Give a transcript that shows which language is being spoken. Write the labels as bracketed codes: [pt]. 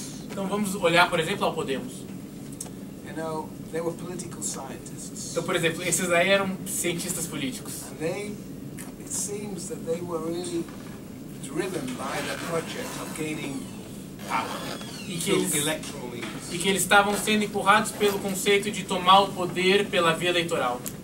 [pt] Então, vamos olhar, por exemplo, ao Podemos. [en] You know, they were political scientists. [pt] Então, por exemplo, esses aí eram cientistas políticos. [en] It seems that they were really driven by the project of gaining power, [pt] e que eles estavam sendo empurrados pelo conceito de tomar o poder pela via eleitoral.